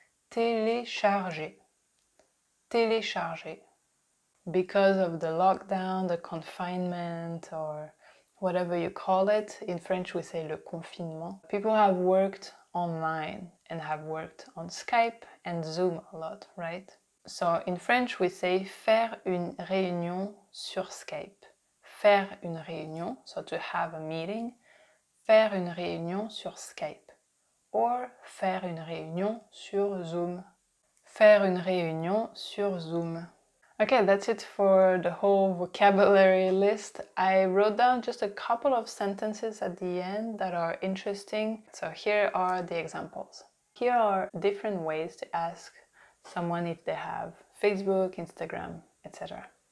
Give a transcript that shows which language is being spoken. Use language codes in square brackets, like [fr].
[fr] Télécharger. Télécharger. [en] Because of the lockdown, the confinement, or whatever you call it. In French, we say le confinement. People have worked online and have worked on Skype and Zoom a lot, right? So in French, we say [fr] faire une réunion sur Skype. Faire une réunion, [en] so to have a meeting. [fr] Faire une réunion sur Skype. [en] Or [fr] faire une réunion sur Zoom. Faire une réunion sur Zoom. [en] Okay, that's it for the whole vocabulary list. I wrote down just a couple of sentences at the end that are interesting. So here are the examples. Here are different ways to ask someone if they have Facebook, Instagram, etc.